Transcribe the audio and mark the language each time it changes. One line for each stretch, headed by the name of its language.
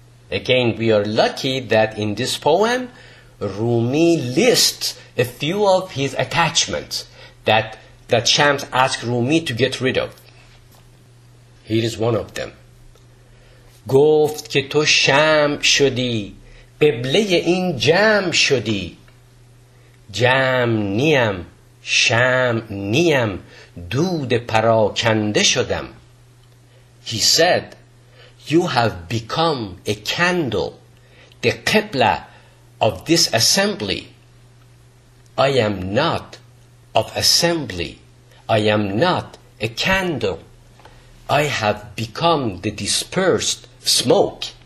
English: Again, we are lucky that in this poem, Rumi lists a few of his attachments that Shams asked Rumi to get rid of. Here is one of them.
Persian: گفت که تو شمع شدی قبله این جمع شدی جمع نیم شمع نیم دود پراکنده شدم.
English: He said, you have become a candle, the qibla of this assembly. I am not of assembly. I am not a candle. I have become the dispersed smoke.